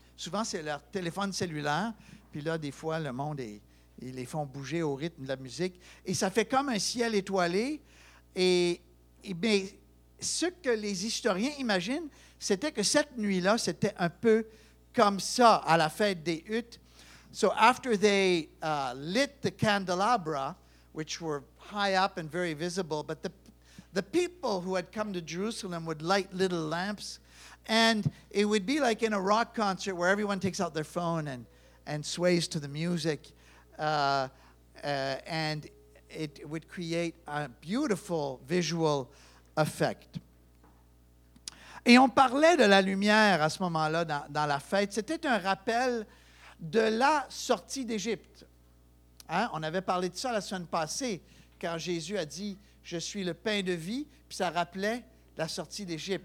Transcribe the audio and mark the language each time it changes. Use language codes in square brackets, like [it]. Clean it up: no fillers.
[fr] Souvent, c'est leur téléphone cellulaire. Puis là, des fois, le monde, ils les font bouger au rythme de la musique. Et ça fait comme un ciel étoilé. Et bien, ce que les historiens imaginent, c'était que cette nuit-là, c'était un peu comme ça à la fête des huttes. [en] So after they lit the candelabra, which were high up and very visible, but the people who had come to Jerusalem would light little lamps, and it would be like in a rock concert where everyone takes out their phone and sways to the music, and it would create a beautiful visual effect. [fr] Et on parlait de la lumière à ce moment-là dans la fête. C'était un rappel de la sortie d'Égypte. Hein? On avait parlé de ça la semaine passée, quand Jésus a dit « Je suis le pain de vie », puis ça rappelait la sortie d'Égypte.